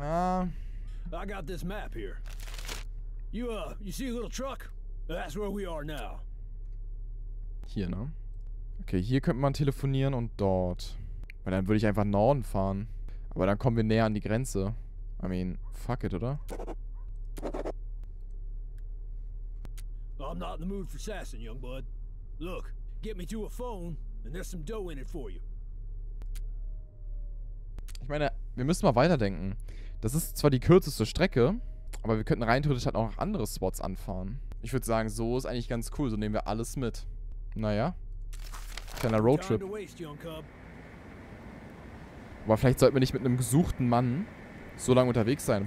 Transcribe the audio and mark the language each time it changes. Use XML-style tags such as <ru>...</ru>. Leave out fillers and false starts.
<en>I got this map here. You see a little truck? That's where we are now.</en> <de>Hier, ne? Okay, hier könnte man telefonieren und dort. Weil dann würde ich einfach Norden fahren. Aber dann kommen wir näher an die Grenze.</de> <en>I mean, fuck it, oder? I'm not in the mood for sassing, young bud. Look, get me to a phone and there's some dough in it for you.</en> <de>Ich meine, wir müssen mal weiterdenken. Das ist zwar die kürzeste Strecke, aber wir könnten rein theoretisch halt auch noch andere Spots anfahren. Ich würde sagen, so ist eigentlich ganz cool. So nehmen wir alles mit. Naja. Kleiner Roadtrip. Aber vielleicht sollten wir nicht mit einem gesuchten Mann so lange unterwegs sein.</de>